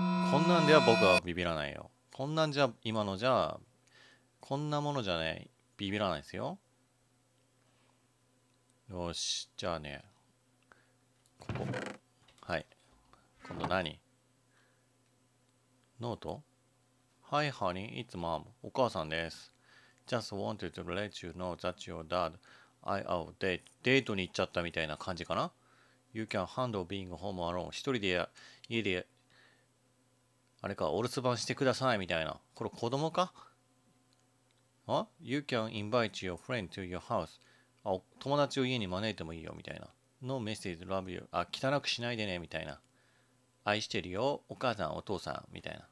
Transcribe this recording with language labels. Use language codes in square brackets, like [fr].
[ja] こんなんでは僕はビビらないよ。こんなんじゃ、今のじゃ、こんなものじゃね、ビビらないですよ。よし、じゃあね、ここ、はい、今度何？ノート？ [en] Hi honey, it's mom、 [ja] お母さんです。 [en] Just wanted to let you know that your dad, I out date、 [ja] デートに行っちゃったみたいな感じかな。 [en] You can handle being home alone、 [ja] 一人で家であれか、お留守番してくださいみたいな。これ子供か。あ、 [en] You can invite your friend to your house、 [ja] あ、友達を家に招いてもいいよみたいな。 [en] No message, love you、 [ja] あ、汚くしないでねみたいな。愛してるよお母さんお父さんみたいな。